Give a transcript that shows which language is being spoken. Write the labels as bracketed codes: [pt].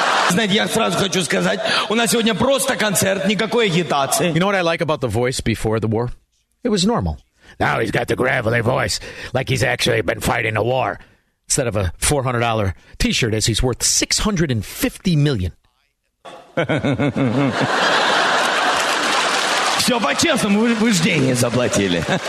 [ru] Знаете, я сразу хочу сказать, у нас сегодня просто концерт, никакой агитации. [en] You know what I like about the voice before the war? It was normal. Now he's got the gravelly voice, like he's actually been fighting a war. Instead of a $400 t-shirt, as he's worth $650 million. [ru] Все по-честному, вы же деньги заплатили.